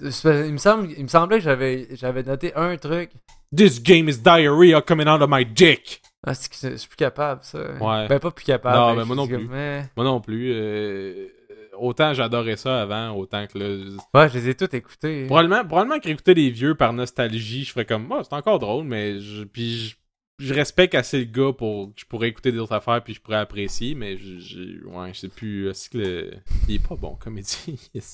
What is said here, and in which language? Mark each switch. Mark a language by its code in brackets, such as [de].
[fr] Il me semblait que j'avais noté un truc. [en] This game is diarrhea coming out of my dick! [fr] Ah, c'est que je suis plus capable, ça. Ouais. Ben, pas plus capable. Non, mais moi non plus. Moi non plus. Autant j'adorais ça avant, autant que là... Ouais, je les ai toutes écoutées. Probablement que j'écoutais les vieux par nostalgie, je ferais comme, oh, c'est encore drôle, mais je respecte assez le gars pour que je pourrais écouter d'autres affaires puis je pourrais apprécier, mais je sais plus, est-ce que il est pas bon comédie?